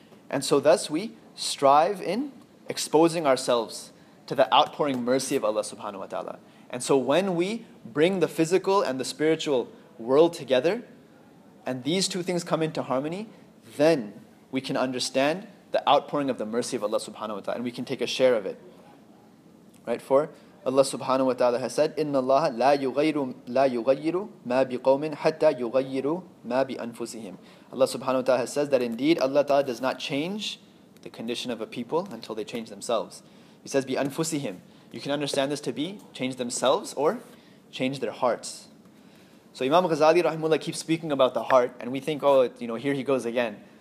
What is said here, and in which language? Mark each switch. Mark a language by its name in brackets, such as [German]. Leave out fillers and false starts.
[English] And so thus we strive in exposing ourselves to the outpouring mercy of Allah subhanahu wa ta'ala. And so when we bring the physical and the spiritual world together and these two things come into harmony, then we can understand the outpouring of the mercy of Allah subhanahu wa ta'ala and we can take a share of it. Right? For Allah subhanahu wa ta'ala has said, [Arabic] إِنَّ اللَّهَ لَا يُغَيِّرُ مَا بِقَوْمٍ حَتَّى يُغَيِّرُ مَا بِأَنفُسِهِمْ. [English] Allah subhanahu wa ta'ala has said that indeed Allah ta'ala does not change the condition of a people until they change themselves. He says, بِأَنفُسِهِمْ. You can understand this to be change themselves or change their hearts. So Imam Ghazali rahimullah keeps speaking about the heart and we think, oh, you know, here he goes again.